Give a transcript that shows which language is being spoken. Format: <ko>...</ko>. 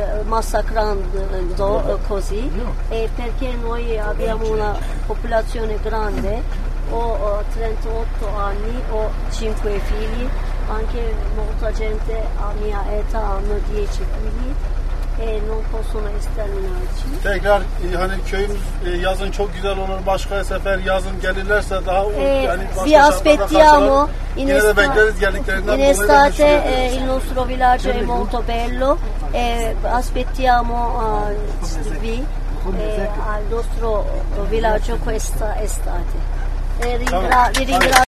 <it>Massacrando così, perché noi abbiamo una popolazione grande, ho 38 anni, ho 5 figli, anche molta gente a mia età hanno 10 figli e non possono esterminarci.</it> <tr>Tekrar hani köyümüz yazın çok güzel olur, başka sefer yazın gelirlerse daha</tr> <it>vi aspettiamo in estate, in estate il nostro villaggio è molto bello. Aspettiamo qui al nostro villaggio questa estate. Vi ringrazio.</it>